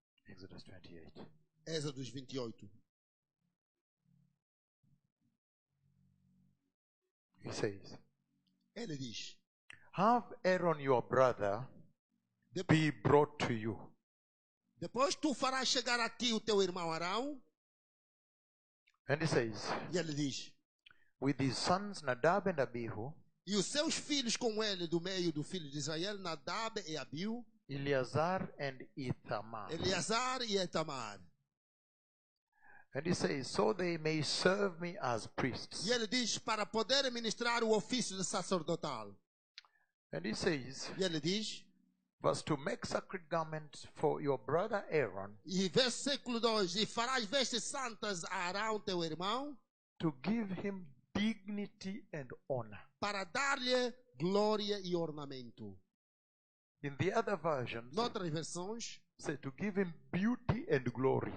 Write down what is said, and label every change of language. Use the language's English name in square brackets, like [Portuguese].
[English] Exodus 28. [Portuguese] Exodus 28. [English] He says, [Portuguese] ele diz, [English] have Aaron your brother be brought to you. [Portuguese] Depois tu farás chegar a ti o teu irmão Arão. [English] And he says, [Portuguese] e ele diz, [English] with his sons Nadab and Abihu, [Portuguese] e os seus filhos com ele do meio do filho de Israel, Nadab e Abiú, [English] Eleazar and Ithamar. [Portuguese] Eleazar e Ithamar. [English] And he says, so they may serve me as priests. [Portuguese] E ele diz, para poder ministrar o ofício de sacerdotal. [English] And he says, [Portuguese] e ele diz, [English] was to make sacred garments for your brother Aaron. [Portuguese] E versículo 2, e farás vestes santas a Arão teu irmão, [English] to give him dignity and honor. [Portuguese] Para dar-lhe glória e ornamento. [English] In the other versions, [Portuguese] noutras versões, [English] say to give him beauty and glory.